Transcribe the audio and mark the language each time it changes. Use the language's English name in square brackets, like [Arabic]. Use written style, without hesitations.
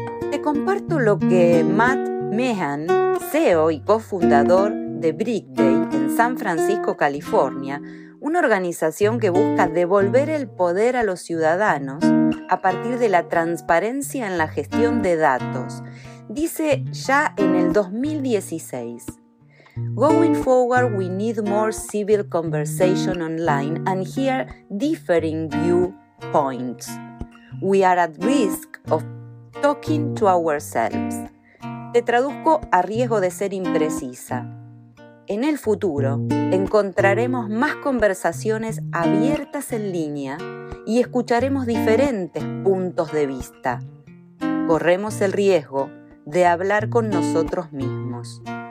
[Spanish] Te comparto lo que Matt Meehan, CEO y cofundador de Brickday en San Francisco, California, una organización que busca devolver el poder a los ciudadanos a partir de la transparencia en la gestión de datos, dice ya en el 2016. [English] Going forward, we need more civil conversation online and hear differing viewpoints. We are at risk of talking to ourselves. [Spanish] Te traduzco a riesgo de ser imprecisa. En el futuro, encontraremos más conversaciones abiertas en línea y escucharemos diferentes puntos de vista. Corremos el riesgo de hablar con nosotros mismos.